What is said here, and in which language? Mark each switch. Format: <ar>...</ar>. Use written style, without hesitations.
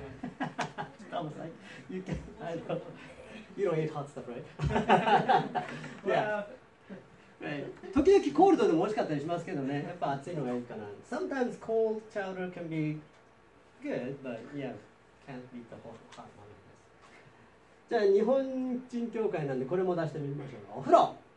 <en>That was like, you can, I don't, you don't eat hot stuff, right? yeah. Right.</en> <ja>時々コールドでも美味しかったりしますけどね、やっぱ熱いのがいいかな。</ja> <en>Sometimes cold chowder can be good, but yeah, can't beat the hot one.</en> <ja>じゃあ日本人協会なんでこれも出してみましょう。お風呂。</ja>